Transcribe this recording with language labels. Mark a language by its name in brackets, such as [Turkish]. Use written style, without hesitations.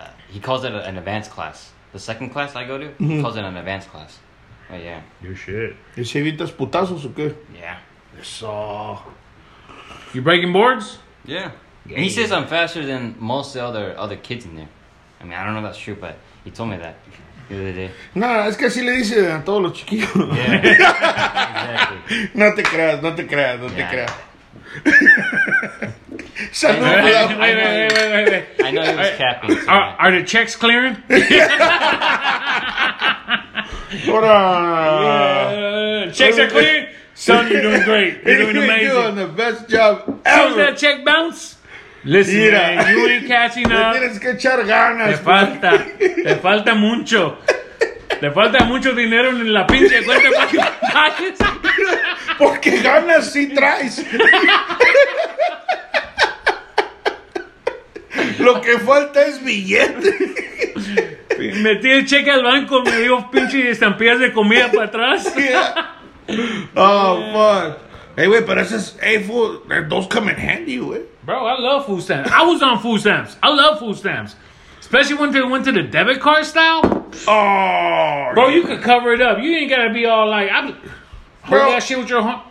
[English] He calls it an advanced class. The second class I go to, he calls it an advanced class. But yeah. Your shit. [Spanish] ¿Y si evitas putazos o qué? [English] Yeah. You breaking boards? Yeah. Yay. And he says I'm faster than most of the other kids in there. I mean, I don't know if that's true, but he told me that the other day. [Spanish] Nah, es que así le dice a todos los chiquillos. [English] Yeah. Exactly. [Spanish] No te creas. Saludos. Wait. [English] I know he was capping. Are the checks clearing? Hold on. Checks are clear. Son, you're doing great. You're doing amazing. You're doing the best job ever. So is that check bounce? Listen, mira, man, you ain't catching up. [Spanish] Tienes que echar ganas. Te falta mucho. Te falta mucho dinero en la pinche cuenta para que pagues. Porque ganas sí traes. Lo que falta es billete. Metí el cheque al banco, me dio pinche estampillas de comida para atrás. [English] Yeah. Oh, fuck. Hey, wait, but that's just, hey, fool, those come in handy, wey. Bro, I love food stamps. I was on food stamps. I love food stamps. Especially when they went to the debit card style. Oh. Bro, you could cover it up. You ain't got to be all like, hold that shit with your home.